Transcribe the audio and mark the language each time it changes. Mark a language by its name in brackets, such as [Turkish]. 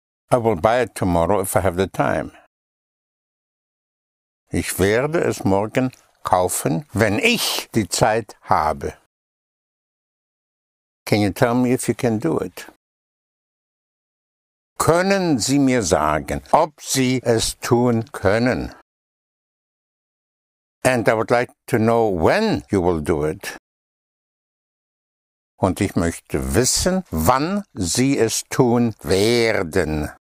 [English] I will buy it tomorrow if I have the time. [German] Ich werde es morgen kaufen, wenn ich die Zeit habe. [English] Can you tell me if you can do it? [German] Können Sie mir sagen, ob Sie es tun können? [English] And I would like to know when you will do it. [German] Und ich möchte wissen, wann Sie es tun werden.